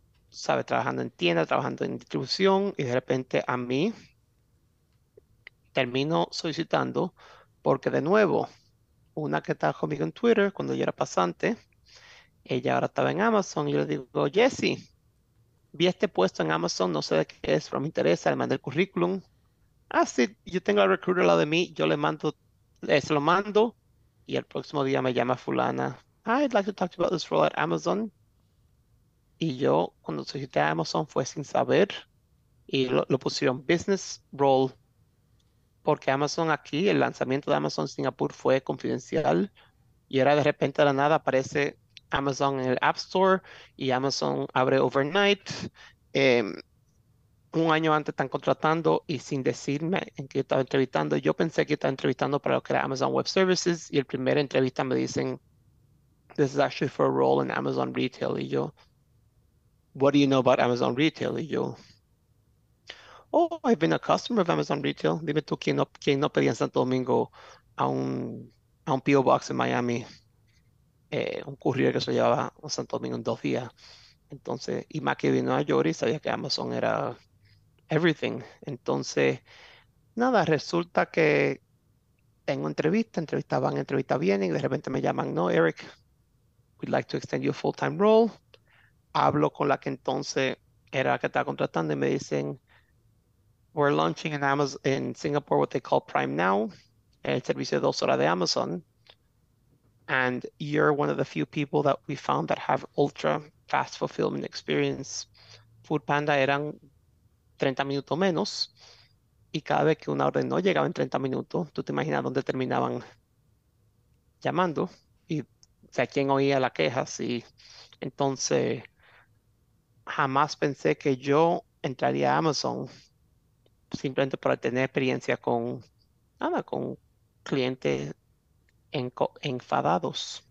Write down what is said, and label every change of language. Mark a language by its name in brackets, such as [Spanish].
[Spanish] sabe, trabajando en tienda, trabajando en distribución, y de repente a mí termino solicitando, porque de nuevo, una que estaba conmigo en Twitter cuando yo era pasante, ella ahora estaba en Amazon, y yo le digo, Jessie, vi este puesto en Amazon, no sé de qué es, pero me interesa, le mandé el currículum. Ah, sí, yo tengo al recruiter al lado de mí, yo le mando. Se lo mando y el próximo día me llama fulana. [English] I'd like to talk to you about this role at Amazon. [Spanish] Y yo, cuando solicité a Amazon, fue sin saber y lo pusieron business role porque Amazon aquí, el lanzamiento de Amazon Singapur fue confidencial y ahora de repente de la nada aparece Amazon en el App Store y Amazon abre overnight. Un año antes están contratando y sin decirme en qué estaba entrevistando. Yo pensé que estaba entrevistando para lo que era Amazon Web Services y el primer entrevista me dicen, [English] this is actually for a role in Amazon Retail. [Spanish] Y yo, [English] what do you know about Amazon Retail? [Spanish] Y yo, [English] oh, I've been a customer of Amazon Retail. [Spanish] Dime tú quién no pedía en Santo Domingo a un P.O. Box en Miami, un courier que se llevaba a Santo Domingo en 2 días. Entonces, y más que vino a York y sabía que Amazon era everything. Entonces, nada, resulta que tengo entrevista van, entrevista vienen, y de repente me llaman, no, Eric, [English] we'd like to extend your full-time role. [Spanish] Hablo con la que entonces era la que estaba contratando y me dicen, [English] we're launching in Amazon in Singapore what they call Prime Now, [Spanish] el servicio de 2 horas de Amazon. [English] And you're one of the few people that we found that have ultra fast fulfillment experience. [Spanish] Foodpanda eran 30 minutos menos, y cada vez que una orden no llegaba en 30 minutos, tú te imaginas dónde terminaban llamando y o sea, quién oía la queja. Y entonces jamás pensé que yo entraría a Amazon simplemente para tener experiencia con nada, con clientes enfadados.